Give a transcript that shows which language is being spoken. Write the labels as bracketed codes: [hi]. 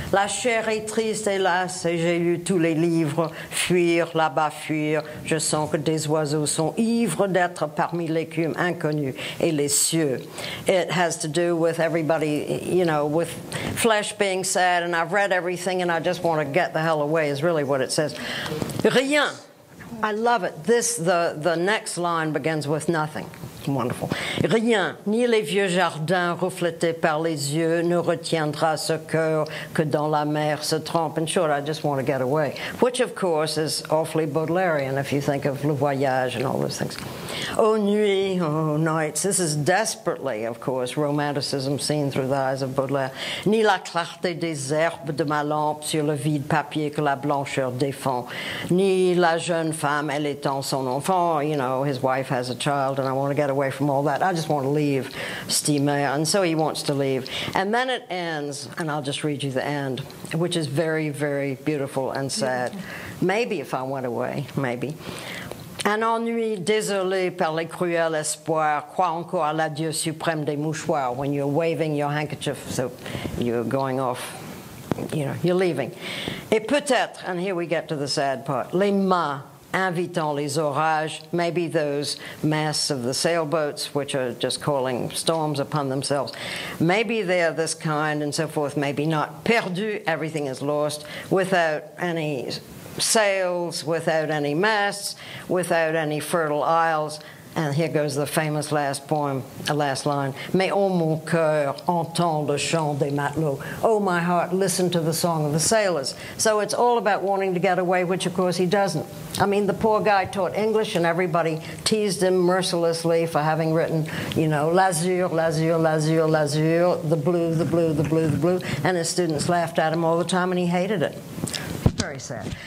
[fr] La chair est triste, hélas, et j'ai lu tous les livres. Fuir, là-bas, fuir. Je sens que des oiseaux sont ivres d'être parmi l'écume inconnue et les cieux. [en] It has to do with everybody, you know, with flesh being sad, and I've read everything, and I just want to get the hell away, is really what it says. Rien. I love it. This, the next line begins with nothing. Wonderful. [fr] Rien, ni les vieux jardins reflétés par les yeux, ne retiendra ce cœur que dans la mer se trompe. [en] In short, I just want to get away. Which, of course, is awfully Baudelairean if you think of Le Voyage and all those things. Oh, [fr] nuit, [en] oh, nights. This is desperately, of course, romanticism seen through the eyes of Baudelaire. [fr] Ni la clarté des herbes de ma lampe sur le vide papier que la blancheur défend, ni la jeune femme, elle étant son enfant. [en] You know, his wife has a child, and I want to get away from all that. I just want to leave Steamer. And so he wants to leave. And then it ends, and I'll just read you the end, which is very, very beautiful and sad. Yeah. Maybe if I went away, maybe. [fr] Un ennui désolé par les cruels espoirs, quoi encore l'adieu suprême des mouchoirs, [en] when you're waving your handkerchief, so you're going off. You know, you're leaving. [fr] Et peut-être, [en] and here we get to the sad part, [fr] les mains invitant les orages, [en] maybe those masts of the sailboats which are just calling storms upon themselves. Maybe they're this kind and so forth, maybe not. [fr] Perdu, [en] everything is lost, without any sails, without any masts, without any fertile isles. And here goes the famous last poem, a last line. [fr] Mais oh mon cœur, entends le chant des matelots. [en] Oh my heart, listen to the song of the sailors. So it's all about wanting to get away, which of course he doesn't. I mean, the poor guy taught English and everybody teased him mercilessly for having written, you know, [fr] l'azur, l'azur, l'azur, l'azur, [en] the blue, the blue, the blue, the blue. And his students laughed at him all the time and he hated it. Very sad.